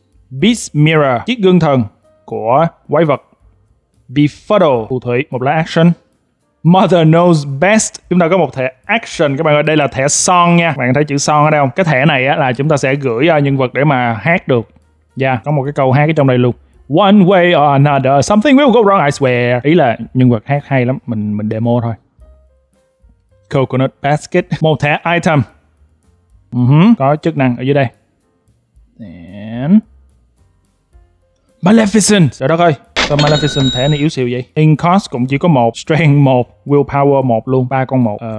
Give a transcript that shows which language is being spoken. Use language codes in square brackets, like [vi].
[vi] Beast Mirror, chiếc gương thần của quái vật. Befuddle, phù thủy, một lá action. Mother Knows Best, chúng ta có một thẻ action các bạn ơi. Đây là thẻ son nha, bạn thấy chữ son ở đây không? Cái thẻ này á, là chúng ta sẽ gửi nhân vật để mà hát được. Dạ, yeah, có một cái câu hát ở trong đây luôn. [en] One way or another, something will go wrong, I swear. [vi] Ý là nhân vật hát hay lắm, mình demo thôi. Coconut Basket, một thẻ item. Có chức năng ở dưới đây. And Maleficent, trời đất ơi, sao Maleficent thẻ này yếu xìu vậy? In cost cũng chỉ có một, strength 1, willpower 1 luôn, ba con một.